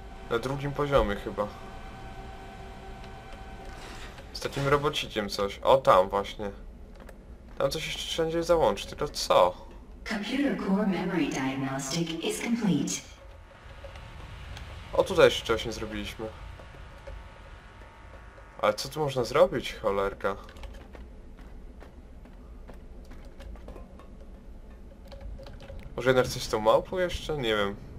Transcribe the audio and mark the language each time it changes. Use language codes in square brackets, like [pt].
[pl] Na drugim poziomie chyba. Z takim robocikiem coś. O, tam właśnie. Tam coś jeszcze trzeba będzie załączyć, tylko co? [en] Computer core memory diagnostic is complete. [pl] O, tutaj jeszcze coś nie zrobiliśmy. Ale co tu można zrobić, cholerka? Może jednak coś z tą małpą jeszcze? Nie wiem.